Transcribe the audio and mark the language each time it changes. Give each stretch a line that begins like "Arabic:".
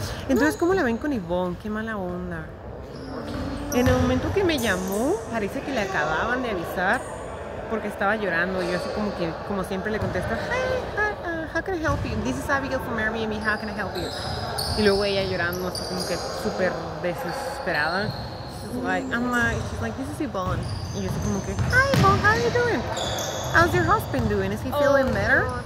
Spanish: Entonces, ¿cómo la ven con Ivonne? Qué mala onda. En el momento que me llamó, parece que le acababan de avisar porque estaba llorando. Y yo así como que, como siempre, le contesto,
English: hey, how can I help you? This is Abigail from Airbnb, how can I help you?
Spanish: Y luego ella llorando, así como que súper desesperada.
English: She's like, this is Yvonne.
Spanish: Y yo así como que,
English: hi Yvonne, how are you doing? How's your husband doing? Is he feeling better?